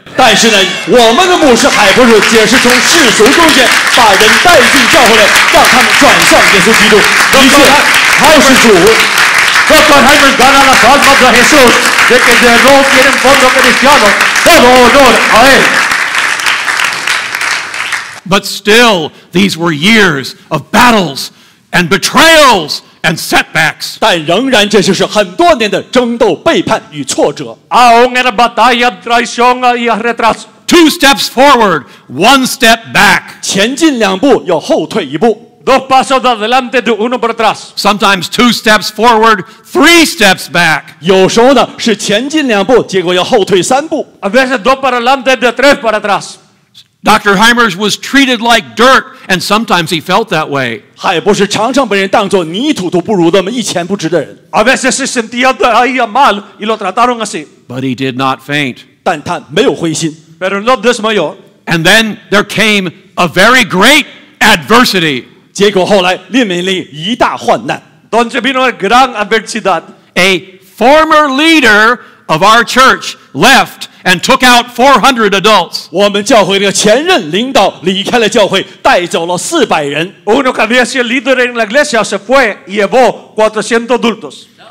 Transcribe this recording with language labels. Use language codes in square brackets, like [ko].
[zh] 但是呢，我们的牧师海博士也是从世俗中间把人带进教会来，让他们转向耶稣基督，一切都是主。Dr. [es] Hymers gana las almas de Jesús de que no tienen fondo cristiano. Todo honor a él. [en] But still, these were years of battles and betrayals and setbacks. [zh] 但仍然，这就是很多年的争斗、背叛与挫折. [es] Aún era batalla, traición y retraso. [en] Two steps forward, one step back. [zh] 前进两步，又后退一步. [es] Dos pasos adelante, uno por atrás. [en] Sometimes two steps forward, three steps back. [zh] 有时候呢，是前进两步，结果又后退三步. [es] A veces dos para adelante, tres para atrás. [en] Dr. Hymers was treated like dirt, and sometimes he felt that way. [zh] 海博士常常被人当作泥土都不如的，一钱不值的人。 [es] A veces se sentía de ahí a mal y lo trataron así. [en] But he did not faint. [zh] 但他没有灰心。 [es] Pero no desmayó. [en] And then there came a very great adversity. [zh] 结果后来面临一大患难. [es] Donde vino una gran adversidad. [en] A former leader of our church left and took out 400 adults. [zh] 我们教会的前任领导离开了教会，带走了400人. [es] Uno que había sido líder en la iglesia se fue y llevó 400 adultos.